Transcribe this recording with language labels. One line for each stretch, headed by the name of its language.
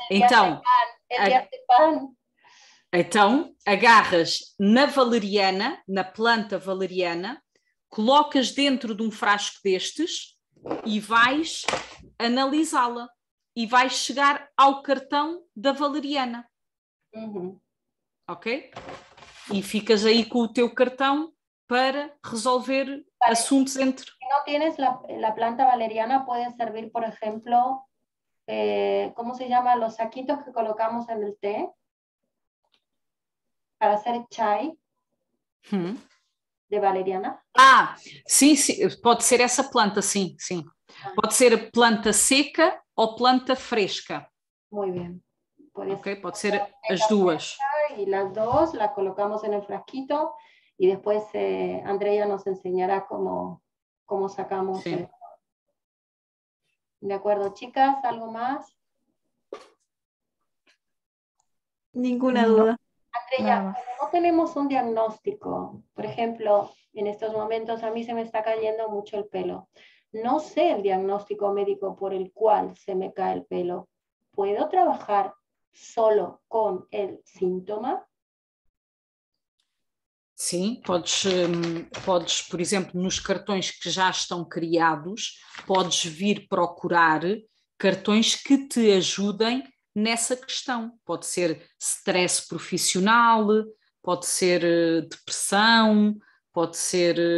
Portuguese: Então, então, agarras na valeriana, na planta valeriana, colocas dentro de um frasco destes e vais analisá-la e vais chegar ao cartão da valeriana. Uhum. Ok? E ficas aí com o teu cartão para resolver assuntos entre... Se não tens a planta valeriana, pode servir, por exemplo...
Spanish: ¿cómo se llama? Los saquitos que colocamos en el té para hacer chai de valeriana. Ah, sí, sí, puede ser esa planta, sí, sí. Puede ser planta seca o planta fresca. Muy bien. Puede ser, okay, puede ser las dos. Y las dos las colocamos en el frasquito y después Andrea nos enseñará cómo sacamos. Sí. De acuerdo, chicas, ¿algo más? Ninguna duda. Andrea, no tenemos un diagnóstico. Por ejemplo, en estos momentos a mí se me está cayendo mucho el pelo. No sé el diagnóstico médico por el cual se me cae el pelo. ¿Puedo trabajar solo con el síntoma?
Portuguese: Sim, podes, por exemplo, nos cartões que já estão criados, podes vir procurar cartões que te ajudem nessa questão. Pode ser stress profissional, pode ser depressão, pode ser...